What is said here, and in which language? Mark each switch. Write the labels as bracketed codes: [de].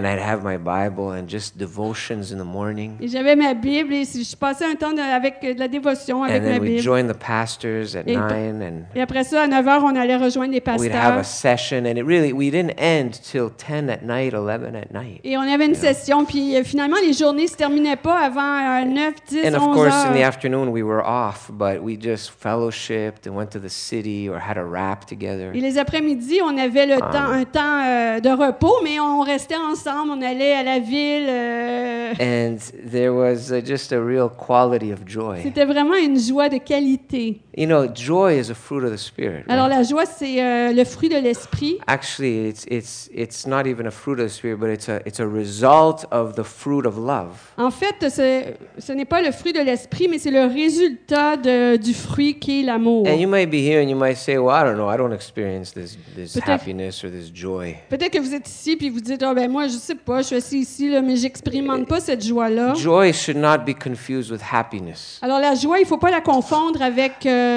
[en] And I'd have my Bible and just devotions in the morning. [fr] Et j'avais ma Bible et je passais un temps avec de la dévotion avec ma Bible. [en] And then we'd join the pastors at 9. [fr] Et après ça, à 9 heures, on allait rejoindre les pasteurs. [en] We'd have a session and it really, we didn't end till 10 at night 11 at night. [fr] Et on avait une session, puis finalement les journées se terminaient pas avant 9, 10, 11 heures. [en] And of course, in the afternoon we were off, but we just fellowshipped and went to the city or had a wrap together. [fr] Et les après-midi, on avait le temps, un temps de repos, mais on restait ensemble, on allait à la ville. [en] And there was just a real quality of joy. [fr] C'était vraiment une joie de qualité. [en] You know, joy is a fruit of the spirit. [fr] Alors [en] right? [fr] La joie, c'est le fruit de l'esprit. [en] Actually, it's not even a fruit of the spirit, but it's a result of the fruit of love. [fr] En fait, ce n'est pas le fruit de l'esprit, mais c'est le résultat du fruit qui est l'amour. [en] And you might be here and you might say, well, I don't know, I don't experience this happiness or this joy. [fr] Peut-être que vous êtes ici puis vous dites, oh ben moi je sais pas, je suis assis ici là, mais j'expérimente pas cette joie là. [en] Joy should not be confused with happiness. [fr] Alors la joie, il faut pas la confondre avec